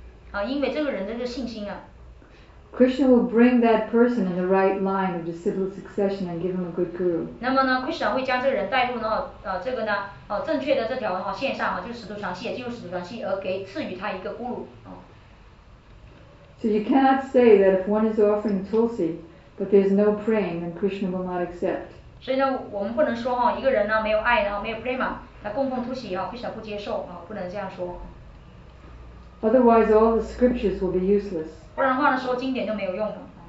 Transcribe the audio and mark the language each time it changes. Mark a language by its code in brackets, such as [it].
[zh] 啊，因为这个人的这个信心啊。 [en] Krishna will bring that person in the right line of disciple succession and give him a good guru. [zh] 那么呢 ，Krishna 会将这个人带入呢，这个呢，正确的这条哈线上哈，就是使徒传系，进入使徒传系，而给赐予他一个咕噜。 [en] So you cannot say that if one is offering tulsi, but there's no praying, then Krishna will not accept. [zh] 所以呢，我们不能说哈，一个人呢没有爱，然后没有 prema， 他供奉突袭哈，必须不接受啊，不能这样说。 [en] Otherwise, all the scriptures will be useless. [zh] 不然的话呢，说经典就没有用了。